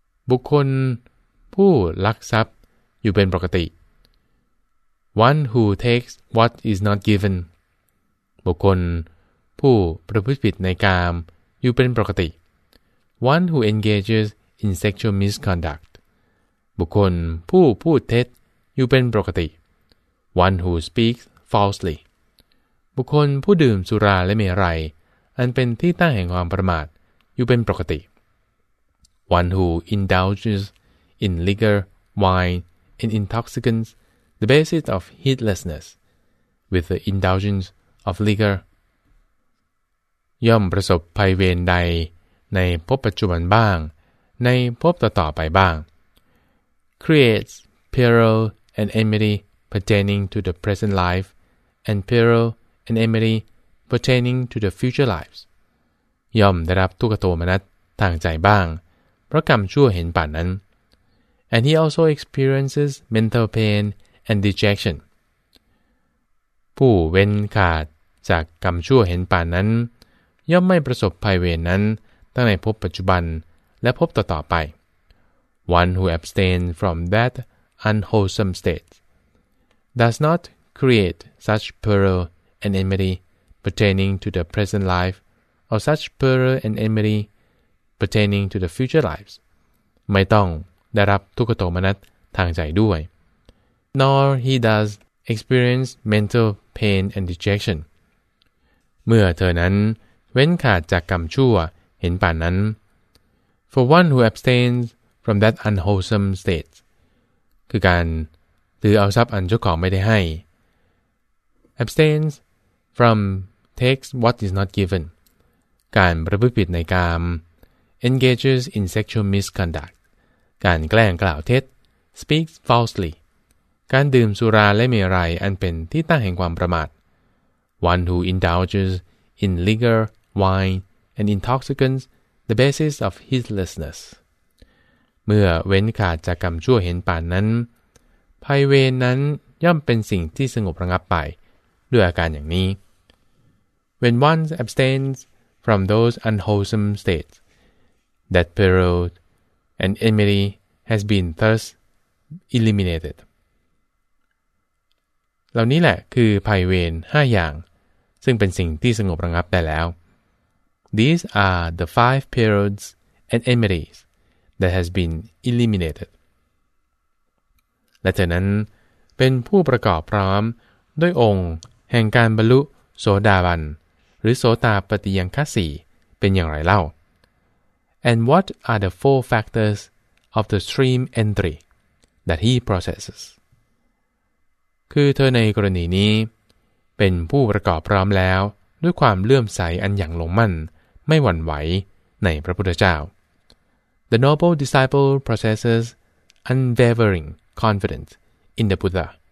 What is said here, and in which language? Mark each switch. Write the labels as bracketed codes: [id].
[th] บุคคลผู้ลักทรัพย์อยู่เป็นปกติ [en] One who takes what is not given [th] บุคคลผู้ประพฤติผิดในกามอยู่เป็นปกติ [en] One who engages in sexual misconduct [th] บุคคลผู้พูดเท็จอยู่เป็นปกติ [en] One who speaks falsely [th] บุคคลผู้ดื่มสุราและเมรัยอันเป็นที่ตั้งแห่งความประมาทอยู่เป็นปกติ [en] One who indulges in liquor, wine, and intoxicants, the basis of heedlessness, with the indulgence of liquor. [th] ย่อมประสบภัยเวรใดในภพปัจจุบันบ้างในภพต่อๆไปบ้าง [en] creates peril and enmity pertaining to the present life and peril and enmity pertaining to the future lives. [th] ย่อมได้รับทุกขโทมนัสทางใจบ้างเพราะกรรมชั่วเห็นป่านนั้น [en] and he also experiences mental pain and dejection [th] ผู้เว้นขาดจากกรรมชั่วเห็นป่านนั้นย่อมไม่ประสบภัยเวรนั้นทั้งในภพปัจจุบันและภพต่อๆไป [en] one who abstains from that unwholesome state does not create such peril and enmity pertaining to the present life or such peril and enmity pertaining to the future lives [th] ไม่ต้องได้รับทุกขโทมนัสทางใจด้วย [en] nor he does experience mental pain and dejection [th] เมื่อเธอนั้นเว้นขาดจากกรรมชั่วเห็นป่านนั้น [en] for one who abstains from that unwholesome state [th] คือการถือเอาทรัพย์อันเจ้าของไม่ได้ให้ [en] abstains from takes what is not given [th] การประพฤติผิดในกาม [en] engages in sexual misconduct [th] การแกล้งกล่าวเท็จ [en] speaks falsely [th] การดื่มสุราและเมรัยอันเป็นที่ตั้งแห่งความประมาท [en] one who indulges in liquor wine and intoxicants the basis of heedlessness [th] เมื่อเว้นขาดจากกรรมชั่วเห็นป่านนั้นภัยเวรนั้นย่อมเป็นสิ่งที่สงบระงับไปด้วยอาการอย่างนี้ [en] when one abstains from those unwholesome statesThat peril and enmity has been thus eliminated. [th] เหล่านี้แหละคือภัยเวร5อย่างซึ่งเป็นสิ่งที่สงบระงับได้แล้ว [en] These are the five perils and enmities that has been eliminated. [th] และเธอนั้นเป็นผู้ประกอบพร้อมด้วยองค์แห่งการบรรลุโสดาบันหรือโสตาปัตติยังคะ4เป็นอย่างไรเล่า [en] And what are the four factors of the stream entry that he processes? [th] คือเธอในกรณีนี้เป็นผู้ประกอบพร้อมแล้วด้วยความเลื่อมใสอันอย่างลงมั่นไม่หวั่นไหวในพระพุทธเจ้า [en] The noble disciple processes unwavering confidence in the Buddha.